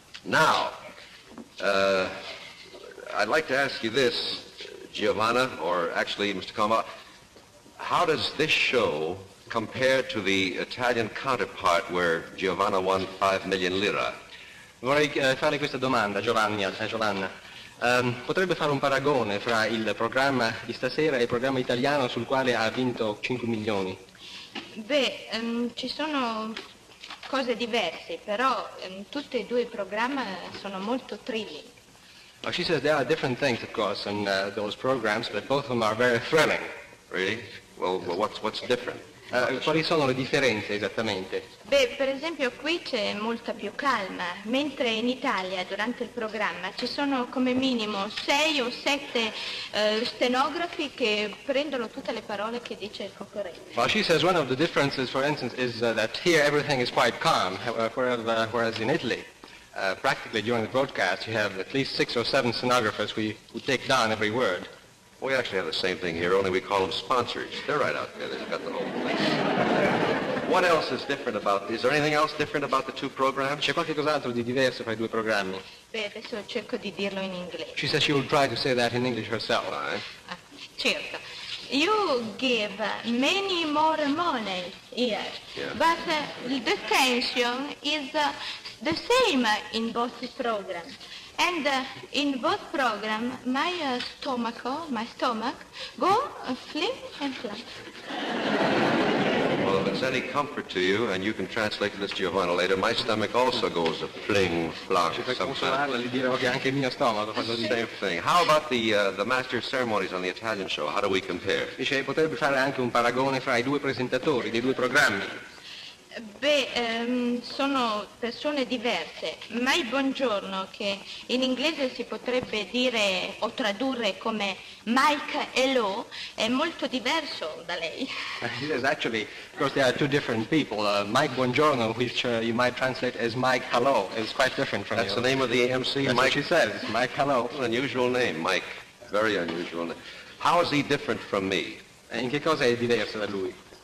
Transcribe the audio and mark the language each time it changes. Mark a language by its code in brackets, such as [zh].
[en] Now, I'd like to ask you this, Giovanna, or actually, Mr. Comba, how does this show compare to the Italian counterpart where Giovanna won 5 million lira? [it] Vorrei fare questa domanda, Giovanni, Giovanna. Potrebbe fare un paragone fra il programma di stasera e il programma italiano sul quale ha vinto 5 milioni? Beh, ci sono cose diverse, però tutti e due i programmi sono molto thrilling. [en] Oh, she says there are different things, of course, in those programs, but both of them are very thrilling. Really? Well, what's different? [it] Quali sono le differenze esattamente? Beh, per esempio qui c'è molta più calma, mentre in Italia durante il programma ci sono come minimo 6 o 7 stenografi che prendono tutte le parole che dice il concorrente. [en] Well, she says one of the differences, for instance, is that here everything is quite calm, whereas in Italy, practically during the broadcast, you have at least 6 or 7 stenographers who take down every word. We actually have the same thing here, only we call them sponsors. They're right out there. They've got the whole place. What else is different about... Is there anything else different about the two programs? [it] C'è qualche cos'altro di diverso fra i due programmi? Beh, adesso cerco di dirlo in inglese. [en] She says she will try to say that in English herself. Right. [it] Certo. [en] You give many more money here. Yeah. But the tension is the same in both programs. And in both programs, my stomach, go flim and flap. Well, if it's any comfort to you, and you can translate this to Giovanna later, my stomach also goes a fling, flock, sometimes. Same thing. How about the master of ceremonies on the Italian show? How do we compare? [it] Dice, potrebbe fare anche un paragone fra i due presentatori dei due programmi. Beh, sono persone diverse. Ma il buongiorno, che in inglese si potrebbe dire o tradurre come Mike Hello, è molto diverso da lei. [en] Yes, actually, of course, there are two different people. Mike Buongiorno, which you might translate as Mike Hello, is quite different from you. That's the name of the MC. That's Mike, what she says, Mike Hello. An unusual name, Mike. Very unusual name. How is he different from me? [it] In che cosa è diverso da lui?